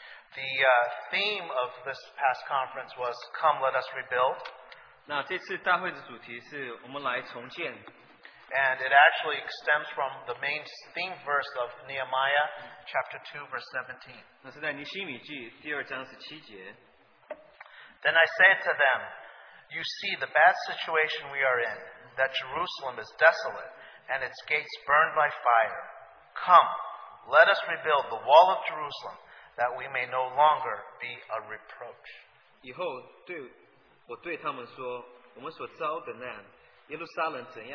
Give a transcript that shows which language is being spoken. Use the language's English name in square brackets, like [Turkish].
[English] The theme of this past conference was Come, Let Us Rebuild. [Chinese] 那这次大会的主题是我们来重建。 [English] And it actually stems from the main theme verse of Nehemiah, chapter 2, verse 17. [Chinese] 那是在尼希米记第二章十七节。 [English] Then I said to them, You see the bad situation we are in, that Jerusalem is desolate, and its gates burned by fire. Come, let us rebuild the wall of Jerusalem, that we may no longer be a reproach. [Chinese] 以后我对他们说，我们所遭的难。